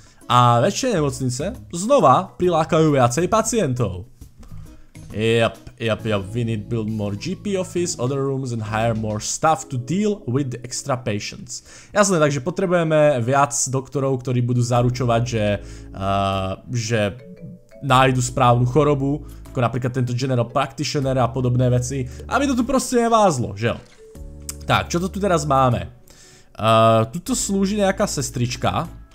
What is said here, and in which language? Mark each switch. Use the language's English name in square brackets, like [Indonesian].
[Slovak] A väčšie nemocnice znova prilákajú viacej pacientov. [English] Yep, we need to build more GP office, other rooms and hire more staff to deal with the extra patients. [Slovak] Jasné, takže potrebujeme viac doktorov, ktorí budú zaručovať, že nájdu správnu chorobu, ako napríklad tento general practitioner a podobné veci, aby to tu proste nevázlo, že jo? Tak, čo to tu teraz máme? Tuto slúži nejaká sestrička.